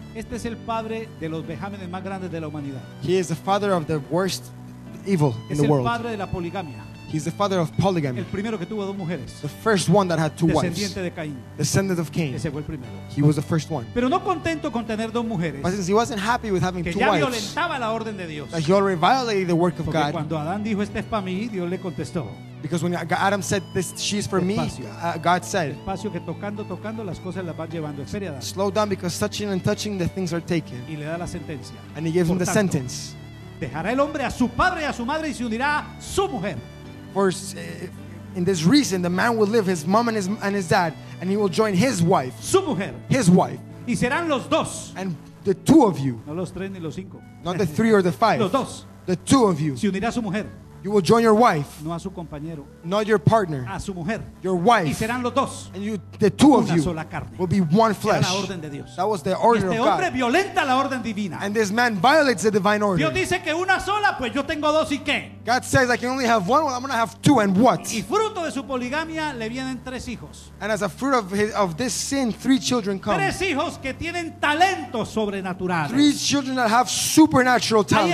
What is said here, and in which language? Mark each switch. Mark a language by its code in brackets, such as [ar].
[es] Este es el padre de los vejámenes más grandes de la humanidad. [en] He is the father of the worst evil in the world. [es] Es el padre de la poligamia. [en] He's the father of polygamy. [es] El primero que tuvo dos mujeres. [en] The first one that had two [es] descendiente [en] wives. [es] Descendiente de Caín. [en] Descendant of Cain. [es] Ese fue el primero. [en] He was the first one. [es] Pero no contento con tener dos mujeres. [en] But since he wasn't happy with having two wives. [es] Que ya violentaba la orden de Dios. [en] That he already violated the work of God. [es] Cuando Adán dijo, "Este es para mí", Dios le contestó. [en] Because when Adam said this, she's for [es] despacio. [en] Me, God said, [es] despacio que tocando las cosas las van llevando. Espere, Adán. [en] Slow down because touching and touching the things are taken. [es] Y le da la sentencia. [en] And he gives [es] por [en] him the [es] tanto, [en] sentence. [es] Dejará el hombre a su padre y a su madre y se unirá a su mujer. [en] For in this reason, the man will leave his mom and his dad, and he will join his wife. [es] Su mujer. [en] His wife. [es] Y serán los dos. [en] And the two of you. [es] No los tres ni los cinco. [en] Not the three or the five. [es] Los dos. [en] The two of you. [es] Se unirá a su mujer. [en] You will join your wife. [es] No a su compañero. [en] Not your partner. [es] A su mujer. [en] Your wife. [es] Y serán los dos. [en] And you, the two [es] una [en] of you, [es] sola carne. [en] Will be one flesh. [es] La orden de Dios. [en] That was the order [es] este [en] of God. [es] Este hombre violenta la orden divina. [en] And this man violates the divine order. [es] Dios dice que una sola, pues yo tengo dos y qué. [en] God says I can only have one. Well, I'm going to have two and what? [es] Y fruto de su poligamia le vienen tres hijos. [en] And as a fruit of this sin, three children come. [es] Tres hijos que tienen talentos sobrenaturales. [en] Three children that have supernatural talents.